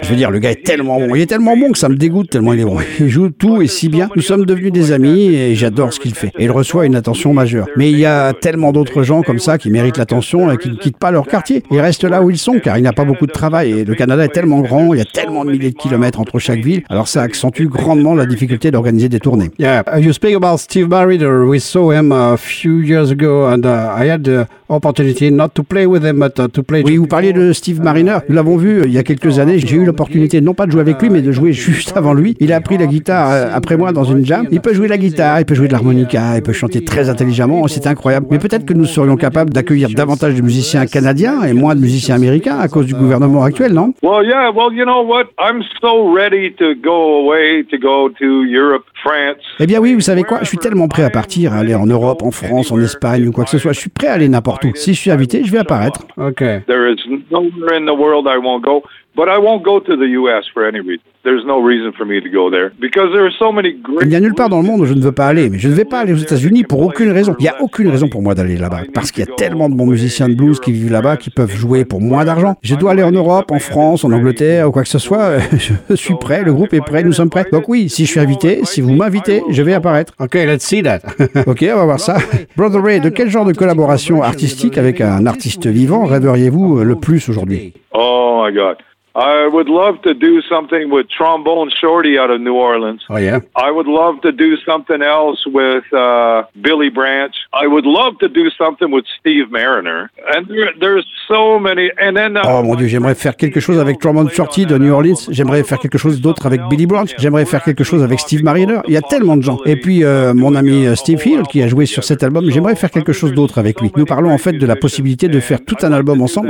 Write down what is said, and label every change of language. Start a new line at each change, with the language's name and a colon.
French: Je veux dire, le gars est tellement bon. Il est tellement bon que ça me dégoûte tellement il est bon. Il joue tout et si bien. Nous sommes devenus des amis et j'adore ce qu'il fait. Et il reçoit une attention majeure. Mais il y a tellement d'autres gens comme ça qui méritent l'attention et qui ne quittent pas leur quartier. Ils restent là où ils sont car il n'y a pas beaucoup de travail. Et le Canada est tellement grand. Il y a tellement de milliers de kilomètres entre chaque ville. Alors ça accentue grandement la difficulté d'organiser des tournées.
English: Yeah, you speak about Steve Mariner. We saw him a few years ago and I had opportunity not to play with him, but to play.
French: Oui, vous parliez de Steve Mariner. Nous l'avons vu il y a quelques années. J'ai eu l'opportunité non pas de jouer avec lui, mais de jouer juste avant lui. Il a appris la guitare après moi dans une jam. Il peut jouer la guitare, il peut jouer de l'harmonica, il peut chanter très intelligemment. C'est incroyable. Mais peut-être que nous serions capables d'accueillir davantage de musiciens canadiens et moins de musiciens américains à cause du gouvernement actuel, non?
English: Well, yeah. Well, you know what? I'm so ready to go away, to go to Europe, France.
French: Eh bien, oui. Vous savez quoi? Je suis tellement prêt à partir, à aller en Europe, en France, en Espagne ou quoi que ce soit. Je suis prêt à aller n'importe où. Si je suis invité, je vais apparaître. Ok.
English: There is nowhere in the world I won't go, but I won't go to the U.S. for any reason. There's no reason for me to go there because there are so many great.
French: Il n'y a nulle part dans le monde où je ne veux pas aller, mais je ne vais pas aller aux États-Unis pour aucune raison. Il n'y a aucune raison pour moi d'aller là-bas parce qu'il y a tellement de bons musiciens de blues qui vivent là-bas qui peuvent jouer pour moins d'argent. Je dois aller en Europe, en France, en Angleterre ou quoi que ce soit. Je suis prêt, le groupe est prêt, nous sommes prêts. Donc oui, si je suis invité, si vous m'invitez, je vais apparaître.
English: Ok, let's see that.
French: Ok, on va voir ça. Brother Ray, de quel genre de collaboration artistique avec un artiste vivant rêveriez-vous le plus aujourd'hui?
English: Oh my God. I would love to do something with Trombone Shorty out of New Orleans. Oh yeah. I would love to do something else with Billy Branch. I would love to do something with Steve Mariner. And there's so many. And then.
French: Oh mon Dieu, j'aimerais faire quelque chose avec Trombone Shorty de New Orleans. J'aimerais faire quelque chose d'autre avec Billy Branch. J'aimerais faire quelque chose avec Steve Mariner. Il y a tellement de gens. Et puis mon ami Steve Hill qui a joué sur cet album. J'aimerais faire quelque chose d'autre avec lui. Nous parlons en fait de la possibilité de faire tout un album ensemble.